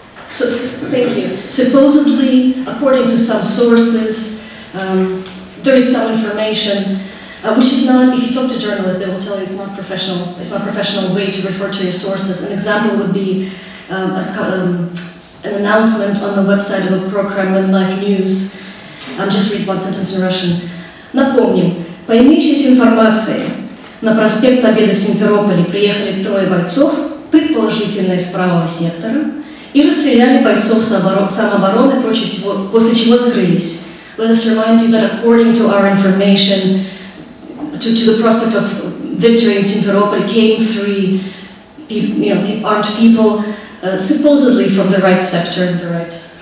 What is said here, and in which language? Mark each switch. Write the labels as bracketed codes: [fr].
[en] So, thank you. Supposedly, according to some sources, there is some information, which is not, if you talk to journalists, they will tell you it's not a professional way to refer to your sources. An example would be an announcement on the website of a pro-Kremlin Life News. I'll just read one sentence in Russian. [ru] Напомним, по имеющейся информации, на проспект Победы в Симферополе приехали трое бойцов, предположительно из правого сектора, и расстреляли бойцов самообороны, прочее всего, после чего скрылись. [en] Let us remind you that according to our information, to the prospect of victory in Simferopol came three armed people, supposedly from the right sector, the right.